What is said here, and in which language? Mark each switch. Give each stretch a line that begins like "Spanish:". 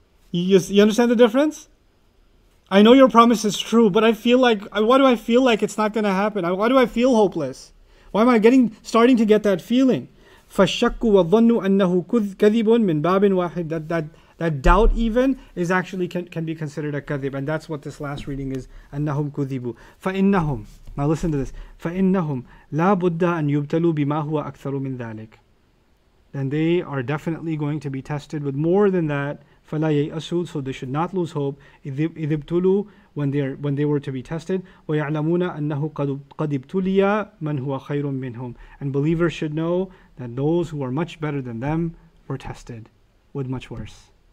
English: You understand the difference? I know your promise is true, but I feel like, why do I feel like it's not going to happen? Why do I feel hopeless? Why am I starting to get that feeling?
Arabic: فَالشَّكُّ وَظَنُّ أَنَّهُ كَذِبٌ مِّن بَابٍ وَاحِدٍ,
English: that doubt even is actually can be considered a kadhib. And that's what this last reading is.
Arabic: أَنَّهُمْ كُذِبُ فَإِنَّهُمْ.
English: Now listen to this.
Arabic: فَإِنَّهُمْ لَا بُدَّ أَن يُبْتَلُوا بِمَا هُوَ أَكْثَرُ مِّن ذَلِكَ.
English: then they are definitely going to be tested with more than that.
Arabic: فَلَا يَيْأَسُوا,
English: so they should not lose hope.
Arabic: إِذِ ابْتُلُوا,
English: when they were to be tested.
Arabic: وَيَعْلَمُونَ أَنَّهُ قَدْ ابْتُلِيَ مَنْ هُوَ خَيْرٌ مِّنْهُمْ,
English: and believers should know that those who are much better than them were tested with much worse.